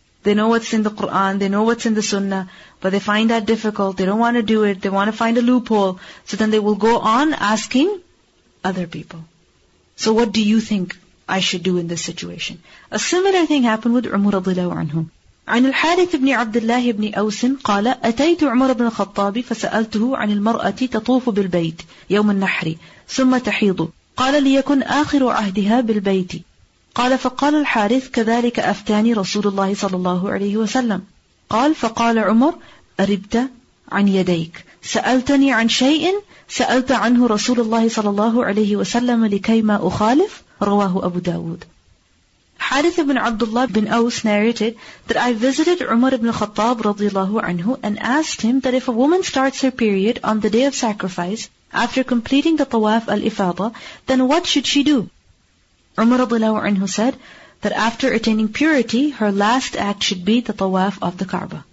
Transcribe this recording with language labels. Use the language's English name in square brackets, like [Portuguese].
[English] They know what's in the Qur'an, they know what's in the sunnah, but they find that difficult, they don't want to do it, they want to find a loophole. So then they will go on asking other people. So what do you think I should do in this situation? A similar thing happened with Umar radiallahu anhu. [Arabic] عن الحارث بن عبد الله بن أوس قال أتيت عمر بن الخطاب فسألته عن المرأة تطوف بالبيت يوم النحر ثم تحيض قال ليكن آخر عهدها بالبيت قال فقال الحارث كذلك أفتاني رسول الله صلى الله عليه وسلم قال فقال عمر أربت عن يديك سألتني عن شيء سألت عنه رسول الله صلى الله عليه وسلم لكي ما أخالف رواه أبو داود [English] Harith ibn Abdullah bin Aws narrated that I visited Umar ibn Khattab radiallahu anhu and asked him that if a woman starts her period on the day of sacrifice after completing the tawaf al-ifadah, then what should she do? Umar radiallahu anhu said that after attaining purity, her last act should be the tawaf of the Kaaba.